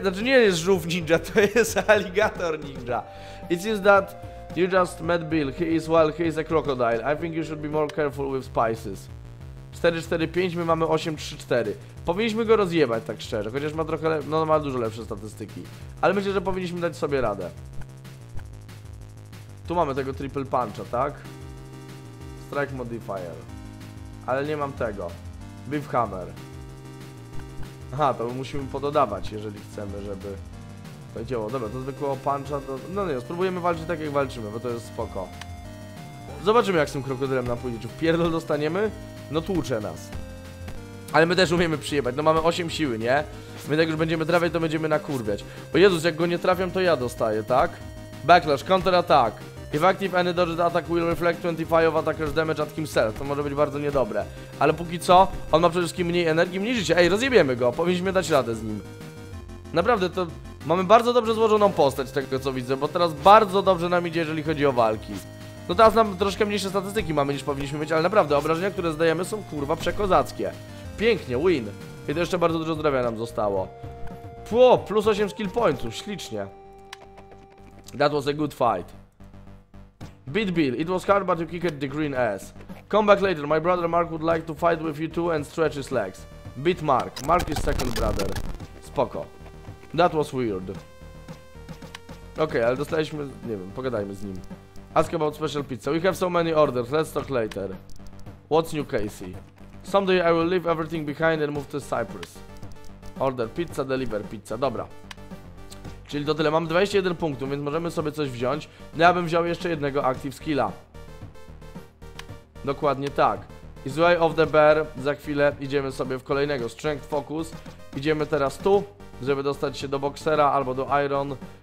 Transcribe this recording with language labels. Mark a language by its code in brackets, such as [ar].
[pl] Znaczy nie jest żółw ninja, to jest alligator ninja. [en] It seems that you just met Bill. He is, well, he is a crocodile. I think you should be more careful with spices. [pl] 4-4-5, my mamy 8-3-4. Powinniśmy go rozjebać, tak szczerze. Chociaż ma trochę, no ma dużo lepsze statystyki. Ale myślę, że powinniśmy dać sobie radę. Tu mamy tego triple puncha, tak? Strike modifier. Ale nie mam tego. Beef hammer. Aha, to musimy pododawać, jeżeli chcemy, żeby to działało. Dobra, to zwykłego puncha to... No nie, spróbujemy walczyć tak jak walczymy, bo to jest spoko. Zobaczymy, jak z tym krokodylem nam pójdzie. Czy w pierdol dostaniemy? No tłucze nas. Ale my też umiemy przyjebać. No mamy 8 siły, nie? My tak już będziemy trafiać, to będziemy nakurwiać. Bo Jezus, jak go nie trafiam, to ja dostaję, tak? [en] Backlash, counterattack. If active any dodged attack will reflect 25 of attacker's damage at himself. [pl] To może być bardzo niedobre. Ale póki co, on ma przede wszystkim mniej energii, mniej życia. Ej, rozjebiemy go. Powinniśmy dać radę z nim. Naprawdę, to mamy bardzo dobrze złożoną postać, tego co widzę. Bo teraz bardzo dobrze nam idzie, jeżeli chodzi o walki. No teraz nam troszkę mniejsze statystyki mamy niż powinniśmy mieć, ale naprawdę obrażenia, które zdajemy są kurwa przekozackie. Pięknie, win. I to jeszcze bardzo dużo zdrowia nam zostało. Pło, plus 8 skill pointów, ślicznie. [en] That was a good fight. Beat Bill, it was hard but you kicked the green ass. Come back later, my brother Mark would like to fight with you too and stretch his legs. Beat Mark, Mark is second brother. [pl] Spoko. [en] That was weird. [pl] Okej, ale dostaliśmy, nie wiem, pogadajmy z nim. [en] Ask about special pizza. We have so many orders. Let's talk later. What's new, Casey? Someday I will leave everything behind and move to Cyprus. Order pizza, deliver pizza. [pl] Dobra. Czyli to tyle. Mam 21 punktów, więc możemy sobie coś wziąć. Ja bym wziął jeszcze jednego active skilla. Dokładnie tak. [en] It's way of the bear. [pl] Za chwilę idziemy sobie w kolejnego. [en] Strength focus. [pl] Idziemy teraz tu, żeby dostać się do boxera albo do iron.